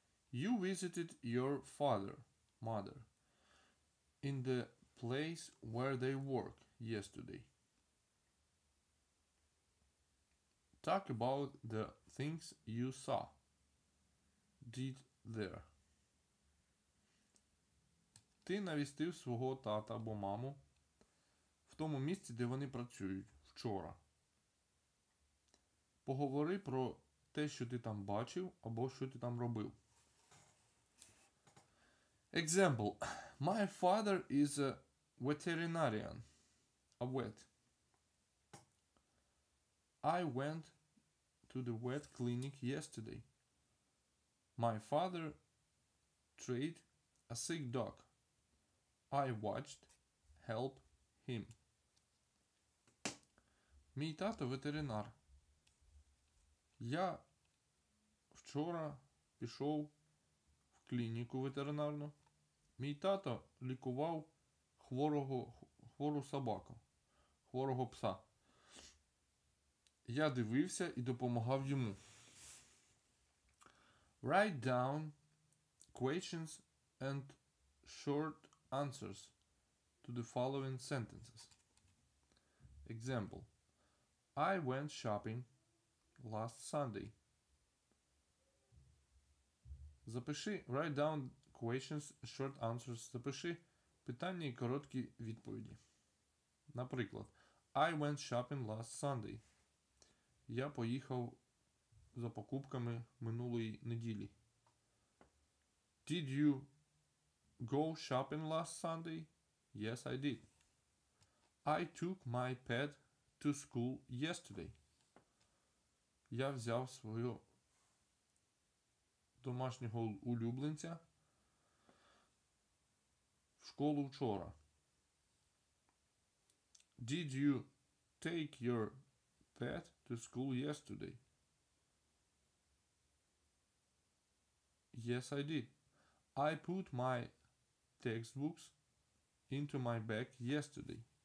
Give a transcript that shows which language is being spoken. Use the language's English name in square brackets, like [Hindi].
[English] You visited your father, mother, in the place where they work yesterday. Talk about the things you saw, did there. [Ukrainian] Ти навістив свого тата або маму в тому місці, де вони працюють, вчора. Поговори про те, що ти там бачив, або що ти там робив. [English] Example. My father is a veterinarian. A vet. I went to the vet clinic yesterday. My father treated a sick dog. I watched help him. [Ukrainian] Мій тато ветеринар. Я вчора пішов в клініку ветеринарну. Мій тато лікував хворого пса. Я дивився і допомагав йому. [English] Write down questions and short answers to the following sentences. Example. I went shopping last Sunday. [Ukrainian] Запиши, [English] write down questions, short answers. [Ukrainian] Запиши питання і короткі відповіді. Наприклад, [English] I went shopping last Sunday. [Ukrainian] Я поїхав за покупками минулої неділі. [English] Did you go shopping last Sunday? Yes, I did. I took my pet to school yesterday. [Ukrainian] Я взяв свого домашнього улюбленця в школу вчора. [English] Did you take your pet to school yesterday? Yes, I did. I put my textbooks into my bag yesterday.